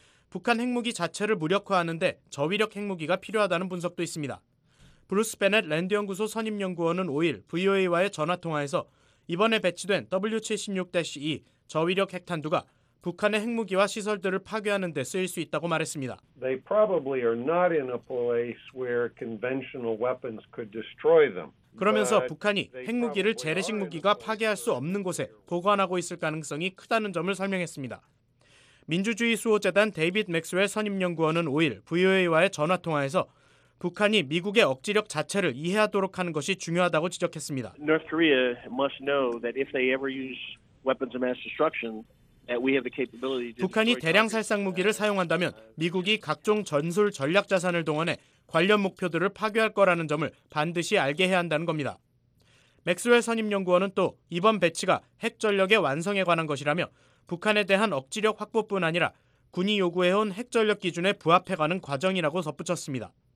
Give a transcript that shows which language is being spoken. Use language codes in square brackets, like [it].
[ko] 북한 핵무기 자체를 무력화하는데 저위력 핵무기가 필요하다는 분석도 있습니다. 브루스 베넷 랜드연구소 선임연구원은 5일 VOA와의 전화통화에서 이번에 배치된 W76-2 저위력 핵탄두가 북한의 핵무기와 시설들을 파괴하는 데 쓰일 수 있다고 말했습니다. [en] They probably are not in a place where conventional weapons could destroy them. [ko] 그러면서 북한이 핵무기를 재래식 무기가 파괴할 수 없는 곳에 보관하고 있을 가능성이 크다는 점을 설명했습니다. 민주주의 수호재단 데이빗 맥스웰 선임연구원은 5일 VOA와의 전화통화에서 북한이 미국의 억지력 자체를 이해하도록 하는 것이 중요하다고 지적했습니다. [en] North Korea must know that if they ever use weapons of mass destruction, that we have the capability to. [ko] 북한이 대량 살상 무기를 사용한다면 미국이 각종 전술 전략 자산을 동원해 관련 목표들을 파괴할 거라는 점을 반드시 알게 해야 한다는 겁니다. 맥스웰 선임연구원은 또 이번 배치가 핵 전력의 완성에 관한 것이라며 북한에 대한 억지력 확보뿐 아니라 군이 요구해온 핵 전력 기준에 부합해가는 과정이라고 덧붙였습니다.